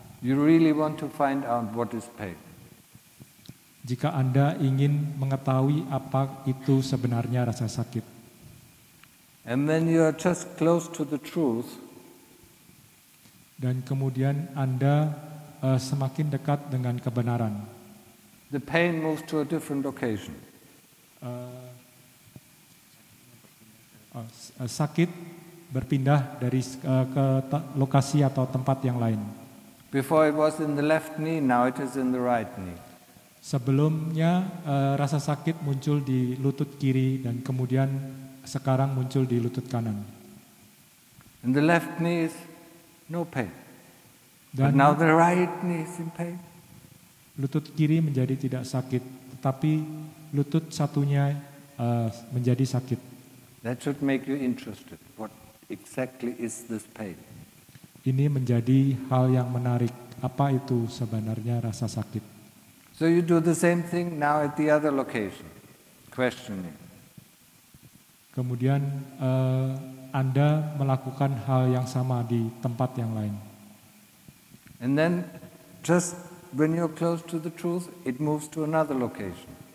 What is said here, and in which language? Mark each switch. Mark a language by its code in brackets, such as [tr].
[en] You really want to find out what is pain? [id] Jika Anda ingin mengetahui apa itu sebenarnya rasa sakit. [en] And when you are just close to the truth, [id] dan kemudian Anda semakin dekat dengan kebenaran. [en] The pain moves to a different location. [id] Sakit berpindah dari ke lokasi atau tempat yang lain. [en] Before it was in the left knee, now it is in the right knee. [id] Sebelumnya rasa sakit muncul di lutut kiri dan kemudian sekarang muncul di lutut kanan. [en] In the left knee is no pain. But now the right knee is in pain. [id] Lutut kiri menjadi tidak sakit, tetapi lutut satunya menjadi sakit. [en] That should make you interested. What exactly is this pain? [id] Ini menjadi hal yang menarik. Apa itu sebenarnya rasa sakit? [en] So you do the same thing now at the other location, questioning. [id] Kemudian Anda melakukan hal yang sama di tempat yang lain. [en] And then just when you're close to the truth, it moves to another location.